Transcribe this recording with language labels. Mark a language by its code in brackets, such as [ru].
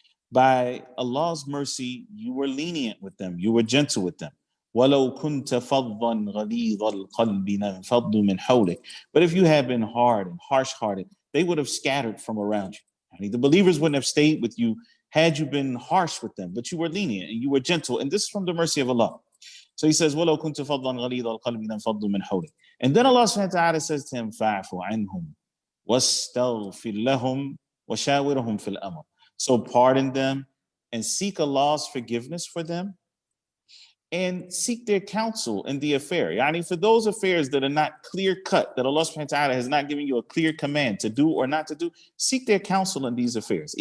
[en] By Allah's mercy, you were lenient with them, you were gentle with them. [ar] وَلَوْ كُنْتَ فَضًّا غَلِيظَ الْقَلْبِ لَانْفَضُّوا مِنْ حَوْلِكَ. [en] But if you had been hard and harsh-hearted, they would have scattered from around you. I mean, the believers wouldn't have stayed with you had you been harsh with them, but you were lenient and you were gentle. And this is from the mercy of Allah. So he says, [ar] وَلَوْ كُنْتَ فَضًّا غَلِيظَ الْقَلْبِ لَانْفَضُّوا مِنْ حَوْلِكَ. [en] And then Allah subhanahu wa ta'ala says to him, [ar] فَعْفُ عَنْهُمْ وَاسْتَغْفِرْ لَهُمْ وَشَاوِرْهُمْ فِي الْأَمْرِ. [en] So pardon them and seek Allah's forgiveness for them and seek their counsel in the affair. Yani for those affairs that are not clear cut, that Allah subhanahu wa ta'ala has not given you a clear command to do or not to do, seek their counsel in these affairs.